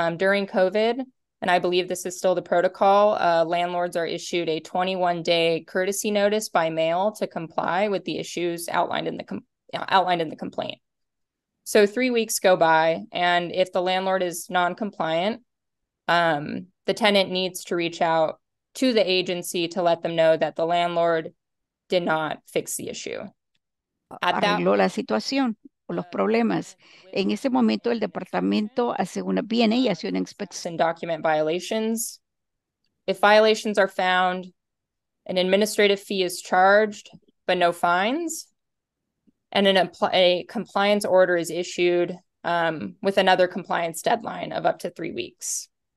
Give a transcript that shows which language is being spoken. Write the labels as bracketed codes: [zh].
[en] During COVID, and I believe this is still the protocol, landlords are issued a 21-day courtesy notice by mail to comply with the issues outlined in the complaint. So 3 weeks go by, and if the landlord is non-compliant, the tenant needs to reach out to the agency to let them know that the landlord did not fix the issue. [es] Arregló la situación o los problemas. En ese momento, el departamento viene y hace una inspección. [en] Document violations. If violations are found, an administrative fee is charged, but no fines. And a compliance order is issued with another compliance deadline of up to 3 weeks.